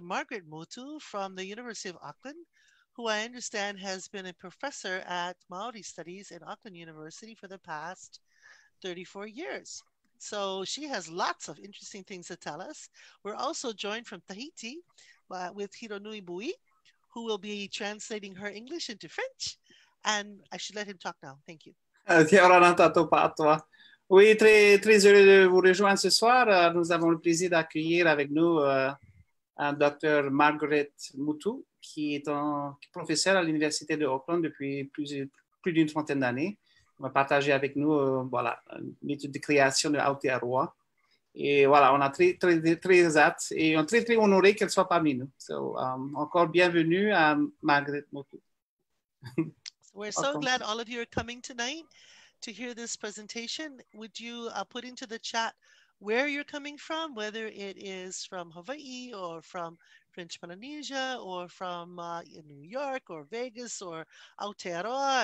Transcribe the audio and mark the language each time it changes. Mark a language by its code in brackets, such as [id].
[en] Margaret Motu from the University of Auckland, who I understand has been a professor at Māori Studies in Auckland University for the past 34 years. So she has lots of interesting things to tell us. We're also joined from Tahiti with Hironui Bouit, who will be translating her English into French. And I should let him talk now. Thank you. [mi] Kia ora nā tātou pātua. [fr] Oui, très heureux de vous rejoindre ce soir. Nous avons le plaisir d'accueillir avec nous Dr. Margaret Motu, qui est professeure à l'Université de Auckland depuis plus d'une trentaine d'années. On va partager avec nous voilà, une étude de création de Aotearoa. Et voilà, on a très hâte et on est très honoré qu'elle soit parmi nous. So, encore bienvenue à Margaret Motu. [en] We're so glad all of you are coming tonight to hear this presentation. Would you put into the chat where you're coming from, whether it is from Hawaii or from French Polynesia or from New York or Vegas or Aotearoa.